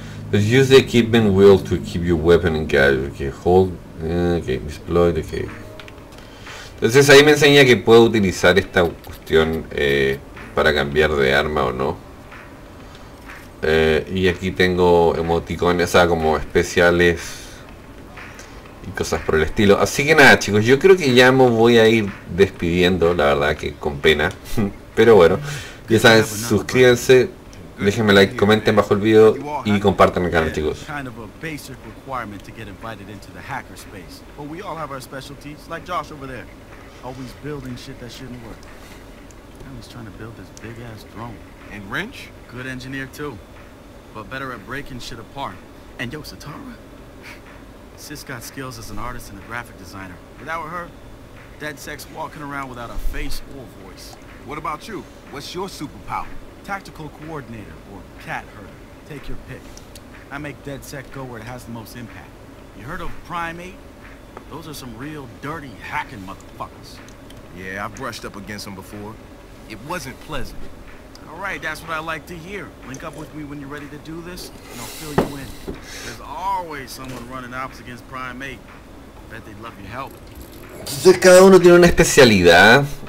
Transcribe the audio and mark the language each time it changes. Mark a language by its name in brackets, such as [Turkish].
[English] But use the equipment wheel to keep your weapon engaged. Okay, hold. Okay, exploit. Okay. [Spanish] Entonces ahí me enseña que puedo utilizar esta cuestión para cambiar de arma o no. Y aquí tengo emoticones, o sea, como especiales y cosas por el estilo. Así que nada, chicos, yo creo que ya me voy a ir despidiendo, la verdad que con pena. Pero bueno, ya saben, suscríbanse. Déjenme like, comenten bajo el video y compartan el canal, chicos. [English] Kind of a basic requirement to get invited into the hacker space. But we all have our specialties, like Josh over there. Always building shit that shouldn't work. And he's trying to build this big ass drone. And Wrench? Good engineer too. But better at breaking shit apart. And yo, Satara? Sis got skills as an artist and a graphic designer. Without her, dead sex walking around without a face or voice. What about you? What's your superpower? Tactical coordinator or cat herder. Take your pick. I make dead set go where it has the most impact. You heard of Prime 8? Those are some real dirty hacking motherfuckers. Yeah, I've brushed up against them before. It wasn't pleasant. All right, that's what I like to hear. Link up with me when you're ready to do this, and I'll fill you in. There's always someone running ops against Prime 8. Bet they'd love your help. [Spanish] Entonces cada uno tiene una especialidad.